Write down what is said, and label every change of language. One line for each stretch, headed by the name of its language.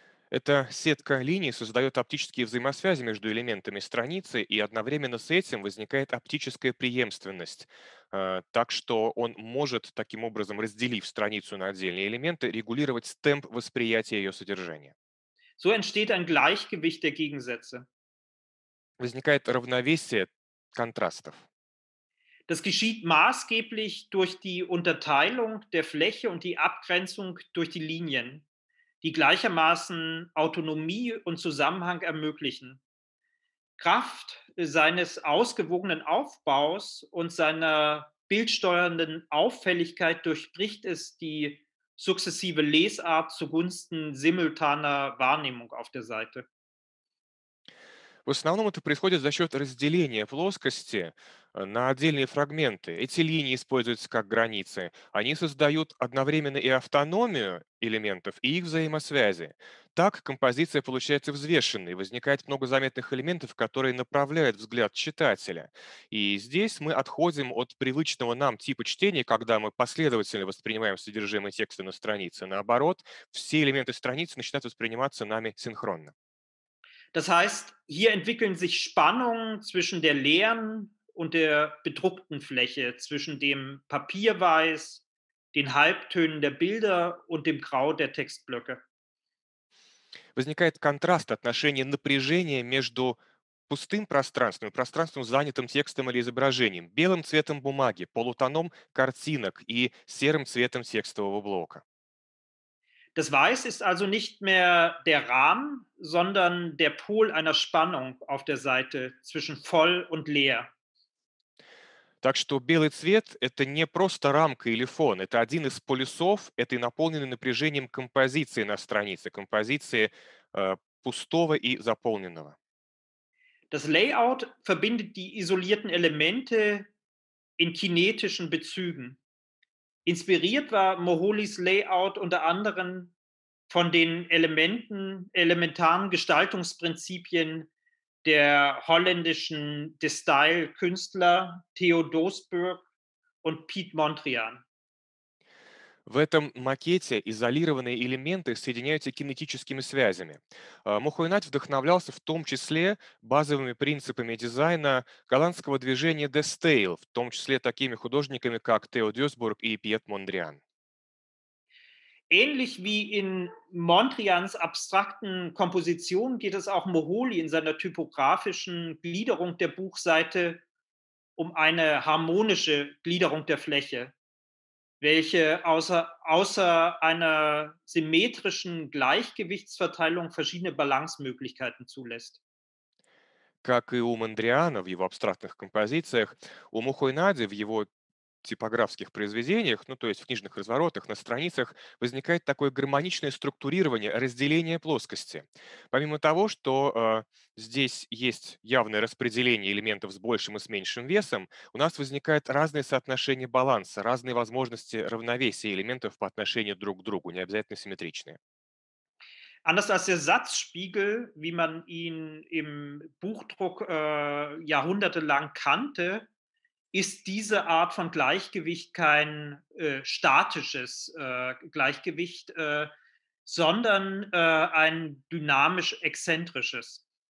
Russian: Эта сетка линий создает оптические взаимосвязи между элементами страницы, и одновременно с этим возникает оптическая преемственность. Так что он может, таким образом, разделив страницу на отдельные элементы, регулировать темп восприятия ее содержания.
German: So entsteht ein Gleichgewicht der Gegensätze.
Russian: возникает равновесие контрастов.
German: Das geschieht maßgeblich durch die Unterteilung der Fläche und die Abgrenzung durch die Linien, die gleichermaßen Autonomie und Zusammenhang ermöglichen. Kraft seines ausgewogenen Aufbaus und seiner bildsteuernden Auffälligkeit durchbricht es die sukzessive Lesart zugunsten simultaner Wahrnehmung auf der Seite.
Russian: В основном это происходит за счет разделения плоскости на отдельные фрагменты. Эти линии используются как границы. Они создают одновременно и автономию элементов, и их взаимосвязи. Так композиция получается взвешенной, возникает много заметных элементов, которые направляют взгляд читателя. И здесь мы отходим от привычного нам типа чтения, когда мы последовательно воспринимаем содержимое текста на странице. Наоборот, все элементы страницы начинают восприниматься нами синхронно.
German: Das heißt, hier entwickeln sich Spannungen zwischen der leeren und der bedruckten Fläche, zwischen dem Papierweiß, den Halbtönen der Bilder und dem Grau der Textblöcke.
Russian: Возникает контраст отношения напряжения между пустым пространством, пространством, занятым текстом или изображением, белым цветом бумаги, полутоном картинок и серым цветом текстового блока.
German: Das Weiß ist also nicht mehr der Rahmen, sondern der Pol einer Spannung auf der Seite zwischen voll und leer.
Russian: Так что белый цвет – это не просто рамка или фон, это один из полюсов этой наполненной напряжением композиции на странице, композиции пустого и заполненного.
German: Das Layout verbindet die isolierten Elemente in kinetischen Bezügen. Inspiriert war Moholys Layout unter anderem von den elementaren Gestaltungsprinzipien der holländischen Destyle-Künstler Theo Doesburg und Piet Mondrian.
Russian: В этом макете изолированные элементы соединяются кинетическими связями. Мухойнать вдохновлялся в том числе базовыми принципами дизайна голландского движения Destyle, в том числе такими художниками, как Theo Doesburg и Piet Mondrian.
German: Ähnlich wie in Mondrians abstrakten Kompositionen geht es auch Moholy in seiner typografischen Gliederung der Buchseite um eine harmonische Gliederung der Fläche, welche außer einer symmetrischen Gleichgewichtsverteilung verschiedene Balancemöglichkeiten zulässt.
Russian: Как и у Мондриана в его абстрактных композициях, у Мухойнади в его типографских произведениях, ну то есть в книжных разворотах, на страницах, возникает такое гармоничное структурирование, разделение плоскости. Помимо того, что здесь есть явное распределение элементов с большим и с меньшим весом, у нас возникает разное соотношение баланса, разные возможности равновесия элементов по отношению друг к другу, не обязательно симметричные.
German: Anders als der Satzspiegel, wie man ihn im Buchdruck jahrhundertelang kannte, ist diese Art von Gleichgewicht kein statisches Gleichgewicht, sondern ein dynamisch-exzentrisches.